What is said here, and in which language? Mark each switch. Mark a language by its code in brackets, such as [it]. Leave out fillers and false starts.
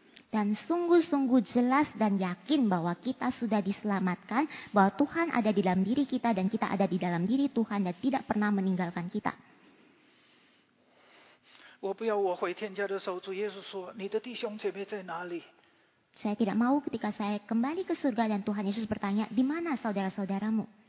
[id] Dan sungguh-sungguh jelas dan yakin bahwa kita sudah diselamatkan, bahwa Tuhan ada di dalam diri kita dan kita ada di dalam diri Tuhan dan tidak pernah meninggalkan kita. [zh] 我不要我回天家的时候，主耶稣说，你的弟兄姐妹在哪里？ [id] Saya tidak mau ketika saya kembali ke surga dan Tuhan Yesus bertanya, di mana saudara-saudaramu?